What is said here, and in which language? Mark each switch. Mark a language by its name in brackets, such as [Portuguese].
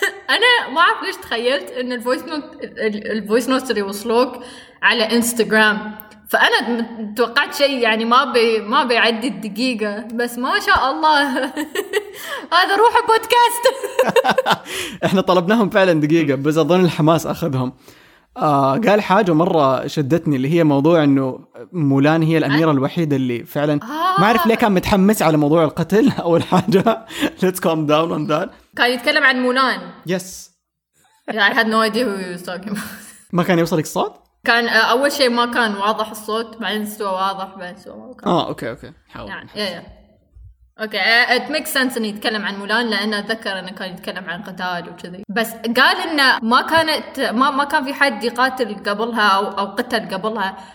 [Arabic] انا ما عارف ليش تخيلت ان الفويس نوت اللي وصلوك على انستغرام، فانا توقعت شيء يعني ما بيعدي الدقيقه، بس ما شاء الله هذا روح بودكاست. احنا طلبناهم فعلا دقيقه، بس اظن الحماس اخذهم. قال حاجة مرة شدتني اللي هي موضوع انه مولان هي الأميرة الوحيدة اللي فعلا ما اعرف ليه كان متحمس على موضوع القتل. اول حاجة [English] let's calm down on that. [Arabic] كان يتكلم عن مولان. [English] yes I had no idea who he was talking about. [Arabic] ما كان يوصلك الصوت؟ كان اول شيء ما كان واضح الصوت، بعدين سوى واضح، بعدين سوى واضح. اوكي حاول يعني. اوكي [English] it make sense [Arabic] ان يتكلم عن مولان، لانه ذكر انه كان يتكلم عن قتال وكذي، بس قال انه ما كان في حد يقاتل قبلها او قتل قبلها.